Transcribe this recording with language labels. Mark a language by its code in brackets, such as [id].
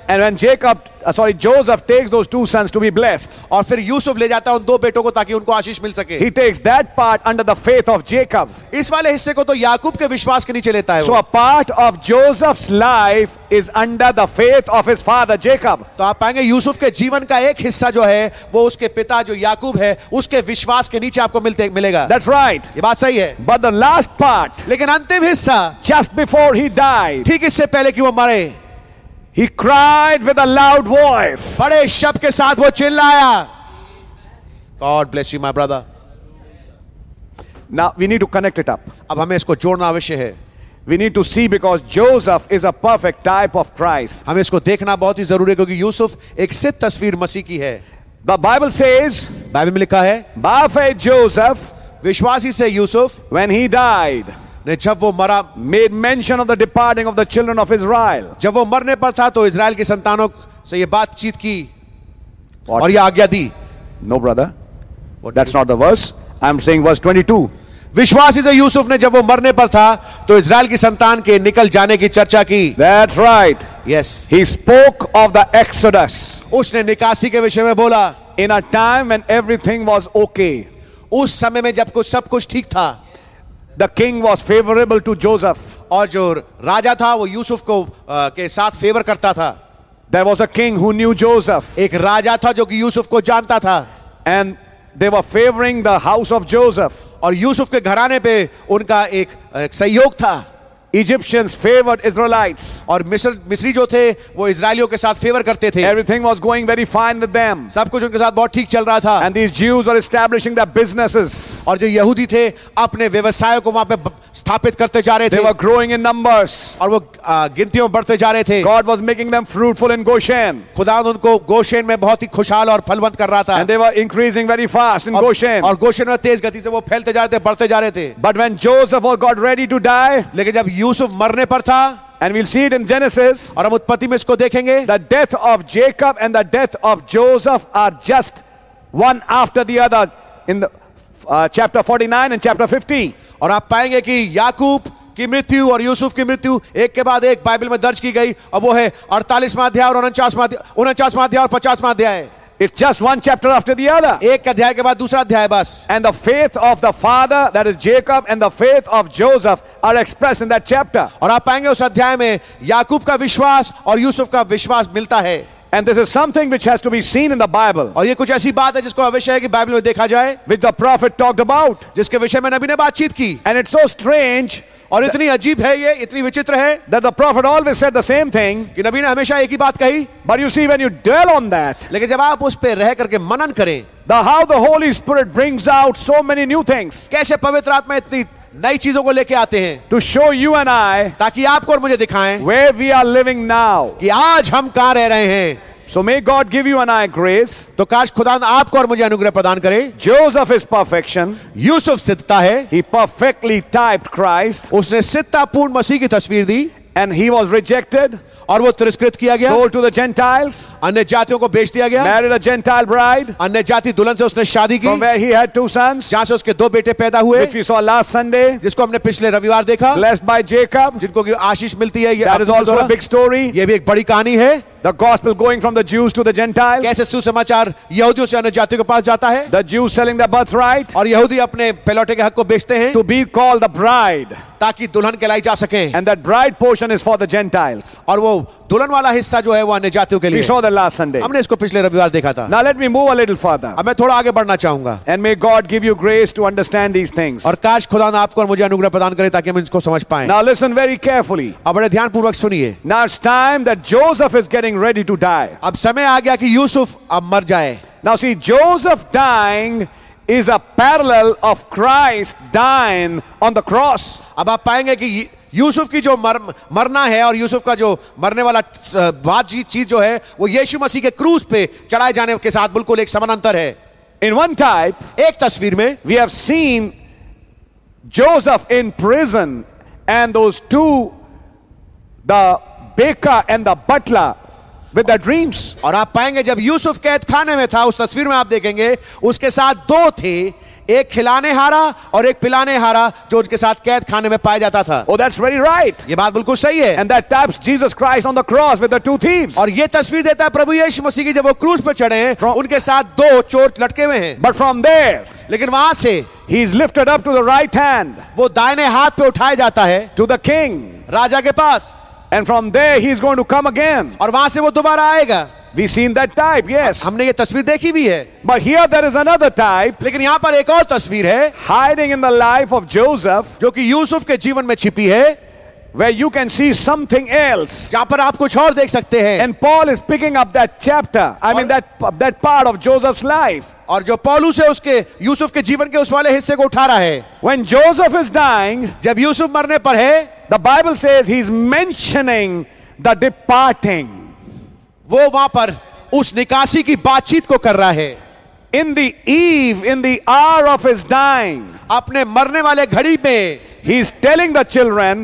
[en] and when Jacob, sorry, Joseph takes those two sons to be blessed, [hi] और फिर यूसुफ ले जाता है उन दो बेटों को ताकि उनको आशीष मिल सके. [en] He takes that part under the faith of Jacob. [hi] इस वाले हिस्से को तो याकूब के विश्वास के नीचे लेता है. [en] So a part of Joseph's life is under the faith of his father Jacob. [hi] तो आप पाएंगे यूसुफ के जीवन का एक हिस्सा जो है वो उसके पिता जो याकूब है उसके विश्वास के नीचे आपको मिलेगा. [en] That's right. [hi] ये बात सही है. [en] But the last part, [hi] लेकिन अंतिम हिस्सा, [en] just before he died, [hi] ठीक इससे पहले कि वो मरे, [en] he cried with a loud voice. [hi] बड़े शब्द के साथ वो चिल्लाया. [en] God bless you, my brother. Now we need to connect it up. [hi] अब हमें इसको जोड़ना अवश्य है. [en] We need to see because Joseph is a perfect type of Christ. [hi] हमें इसको देखना बहुत ही जरूरी है क्योंकि यूसुफ एक सिद्ध तस्वीर मसीह की है. [en] The Bible says. [hi] बाइबल में लिखा है. [en] By faith Joseph. [hi] विश्वासी से यूसुफ. [en] When he died. [hi] जब वो मरा, [en] made mention of the departing of the children of Israel. [hi] जब वो मरने पर था तो इसराइल की संतानों से ये बातचीत की और ये आज्ञा दी. [en] No brother, what, that's not the verse. I am saying verse 22. [hi] विश्वासी से यूसुफ ने जब वो मरने पर था तो इसराइल की संतान के निकल जाने की चर्चा की. [en] That's right. Yes. He spoke of the exodus. [hi] उसने निकासी के विषय में बोला. [en] In a time when everything was okay. [hi] उस समय में जब कुछ सब कुछ ठीक था. [en] The king was favorable to Joseph. [hi] और जो राजा था वो यूसुफ को के साथ फेवर करता था. [en] There was a king who knew Joseph. [hi] एक राजा था जो कि यूसुफ को जानता था. [en] And they were favoring the house of Joseph. [hi] और यूसुफ के घराने पे उनका एक सहयोग था. [en] Egyptians favored Israelites. [hi] और मिस्री जो थे वो इसराइलियों के साथ फेवर करते थे. [en] Everything was going very fine with them. [hi] सब कुछ उनके साथ बहुत ठीक चल रहा था. [en] And these Jews were establishing their businesses. [hi] और जो यहूदी थे अपने व्यवसायों को वहां पे स्थापित करते जा रहे थे. [en] They were growing in numbers. [hi] और वो गिनतियों बढ़ते जा रहे थे. [en] God was making them fruitful in Goshen. [hi] खुदा उनको गोशेन में बहुत ही खुशहाल और फलवंत कर रहा था. [en] And they were increasing very fast in Goshen. [hi] और गोशेन में तेज गति से वो फैलते जा रहे थे, बढ़ते जा रहे थे. [en] But when Joseph got ready to die, [hi] लेकिन जब यूसुफ मरने पर था. [en] And we'll see it in Genesis. [hi] और हम उत्पत्ति में इसको देखेंगे. [en] The death of Jacob and the death of Joseph are just one after the other in the chapter 49 and chapter 50. [hi] और आप पाएंगे कि याकूब की मृत्यु और यूसुफ की मृत्यु एक के बाद एक बाइबल में दर्ज की गई और वो है 48वां अध्याय और 49वां अध्याय और 50वां अध्याय. [en] It's just one chapter after the other. [hi] एक अध्याय के बाद दूसरा अध्याय बस. [en] And the faith of the father, that is Jacob, and the faith of Joseph are expressed in that chapter. [hi] और आप पाएंगे उस अध्याय में याकूब का विश्वास और यूसुफ का विश्वास मिलता है. [en] And this is something which has to be seen in the Bible. [hi] और ये कुछ ऐसी बात है जिसको अवश्य है कि बाइबल में देखा जाए. [en] Which the prophet talked about. [hi] जिसके विषय में नबी ने बातचीत की. [en] And it's so strange. [hi] और इतनी अजीब है ये, इतनी विचित्र है. [en] That the prophet always said the same thing. [hi] कि नबी ने हमेशा एक ही बात कही. [en] But you see, when you dwell on that. [hi] लेकिन जब आप उस पे रह करके मनन करें. [en] The how the Holy Spirit brings out so many new things. [hi] कैसे पवित्र आत्मा इतनी नई चीजों को लेके आते हैं. [en] To show you and I. [hi] ताकि आपको और मुझे दिखाएं. [en] Where we are living now. [hi] कि आज हम कहां रह रहे हैं. [en] So may God give you an eye grace. [hi] तो काश खुदा आपको और मुझे अनुग्रह प्रदान करे. [en] Joseph is perfection. [hi] यूसुफ सिद्धता है. [en] He perfectly typed Christ. [hi] उसने सिद्धता पूर्ण मसीह की तस्वीर दी. [en] And he was rejected. [hi] और वो तिरस्कृत किया गया. [en] Sold to the Gentiles. [hi] अन्य जातियों को बेच दिया गया. [en] Married a Gentile bride. [hi] अन्य जाति दुल्हन से उसने शादी की. [en] From where he had two sons. [hi] जहाँ से उसके दो बेटे पैदा हुए. [en] Which we saw last Sunday. [hi] जिसको हमने पिछले रविवार देखा. [en] Blessed by Jacob. [hi] जिनको की आशीष मिलती है. [en] That is also a big story. [hi] ये भी एक बड़ी कहानी है. [en] The gospel going from the Jews to the Gentiles. [hi] कैसे सुसमाचार यहूदियों से अन्य जातियों के पास जाता है. [en] The Jews selling their birthright. [hi] और यहूदी अपने पैलौटे के हक को बेचते हैं. [en] To be called the bride. [hi] ताकि दुल्हन कहलाई जा सके. [en] And that bride portion is for the Gentiles. [hi] और वो दुल्हन वाला हिस्सा जो है वो अन्य जातियों के लिए. [en] We saw that last Sunday. [hi] हमने इसको पिछले रविवार देखा था. [en] Now let me move a little further. [hi] अब मैं थोड़ा आगे बढ़ना चाहूंगा. [en] And may God give you grace to understand these things. [hi] और काश खुदा आपको और मुझे अनुग्रह प्रदान करे ताकि हम इसको समझ पाएं. [en] Now listen very carefully. [hi] अब बड़े ध्यान पूर्वक सुनिए. [en] Now it's time that Joseph is getting ready to die. [hi] अब समय आ गया कि यूसुफ अब मर जाए. [en] Now see, Joseph dying is a parallel of Christ dying on the cross. [hi] अब आप पाएंगे कि यूसुफ की जो मरना है और यूसुफ का जो मरने वाला बातचीत चीज जो है वो यीशु मसीह के क्रूस पे चढ़ाए जाने के साथ बिल्कुल एक समानांतर है. [en] In one type, [hi] एक तस्वीर में, [en] we have seen Joseph in prison and those two, the baker and the butler. With the dreams. [hi] और आप पाएंगे जब यूसुफ कैद खाने में था उस तस्वीर में आप देखेंगे उसके साथ दो थे, एक खिलाने हारा और एक पिलाने हारा जो उसके साथ कैद खाने में पाया जाता था. [en] Oh, that's very right. [hi] ये बात बिल्कुल सही है. [en] And that types Jesus Christ on the cross with the two thieves. [hi] और ये तस्वीर देता है प्रभु यीशु मसीह की जब वो क्रूस पर चढ़े हैं उनके साथ दो चोर लटके हुए हैं. [en] But from there, [hi] लेकिन वहां से [en] he is lifted up to the right hand, [hi] वो दाहिने हाथ पे उठाया जाता है, [en] to the king, [hi] राजा के पास. [en] And from there he is going to come again. [hi] और वहां से वो दोबारा आएगा. [en] We seen that type, yes. [hi] हमने ये तस्वीर देखी भी है. [en] But here there is another type. [hi] लेकिन यहाँ पर एक और तस्वीर है. [en] Hiding in the life of Joseph. [hi] जो कि यूसुफ के जीवन में छिपी है. [en] Where you can see something else. [hi] जहाँ पर आप कुछ और देख सकते हैं. [en] And Paul is picking up that chapter. I mean that part of Joseph's life. [hi] और जो पौलुस है उसके यूसुफ के जीवन के उस वाले हिस्से को उठा रहा है. [en] When Joseph is dying. [hi] जब यूसुफ मरने पर है. [en] The Bible says he's mentioning the departing. [hi] वो वहां पर उस निकासी की बातचीत को कर रहा है. [en] In the eve, in the hour of his dying, [hi] अपने मरने वाले घड़ी में, [en] he's telling the children,